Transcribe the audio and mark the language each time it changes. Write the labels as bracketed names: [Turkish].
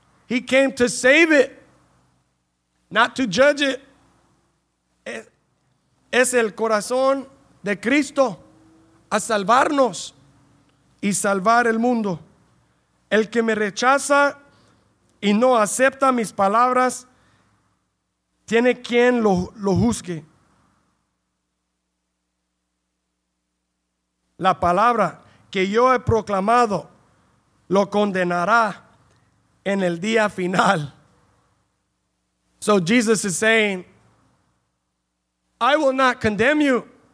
[English] He came to save it, not to judge it. [Spanish] Es el corazón de Cristo a salvarnos y salvar el mundo. El que me rechaza y no acepta mis palabras, tiene quien lo juzgue. La palabra que yo he proclamado lo condenará en el día final. [English] So Jesus is saying, I will not condemn you.